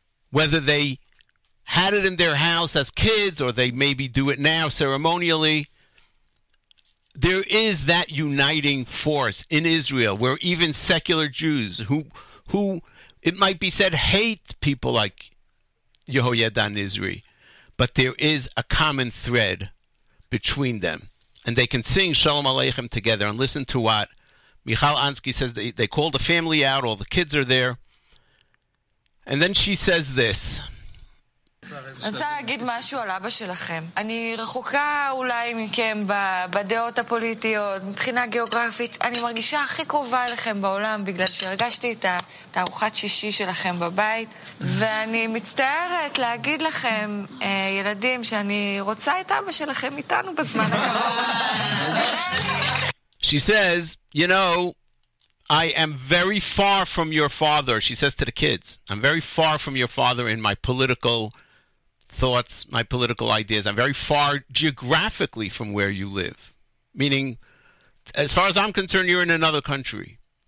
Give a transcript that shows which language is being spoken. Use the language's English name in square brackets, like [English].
[English] Whether they had it in their house as kids or they maybe do it now ceremonially, there is that uniting force in Israel where even secular Jews who it might be said, hate people like Yehoyada and Nisri, but there is a common thread between them. And they can sing Shalom Aleichem together and listen to what Michal Ansky says. They call the family out, all the kids are there. And then she says this. [Hebrew] אני רוצה להגיד משהו על אבא שלכם. אני רחוקה אולי מכם בדעות הפוליטיות, מבחינה גיאוגרפית. אני מרגישה הכי קרובה אליכם בעולם בגלל שהרגשתי את הארוחת שישי שלכם בבית. ואני מצטערת להגיד לכם, ילדים, שאני רוצה את אבא שלכם איתנו בזמן הקרוב. [English] She says, you know, I am very far from your father, she says to the kids. I'm very far from your father in my political thoughts, my political ideas. I'm very far geographically from where you live. Meaning, as far as I'm concerned, you're in another country.